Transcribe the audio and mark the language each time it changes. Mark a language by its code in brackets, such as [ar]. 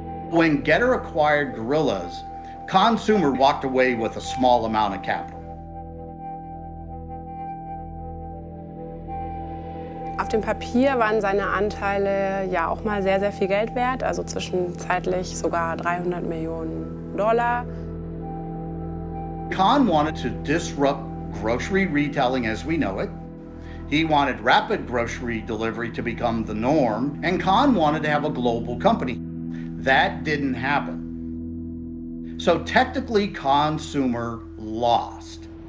[en] When Getter acquired Gorillas, Kagan Sümer walked away with a small amount of capital. [de] Auf dem Papier waren seine Anteile ja auch mal sehr, sehr viel Geld wert, also zwischenzeitlich sogar 300 Millionen Dollar. [en] Kagan wanted to disrupt grocery retailing as we know it. He wanted rapid grocery delivery to become the norm, and Kagan wanted to have a global company. That didn't happen. So technically, Kagan Sümer lost.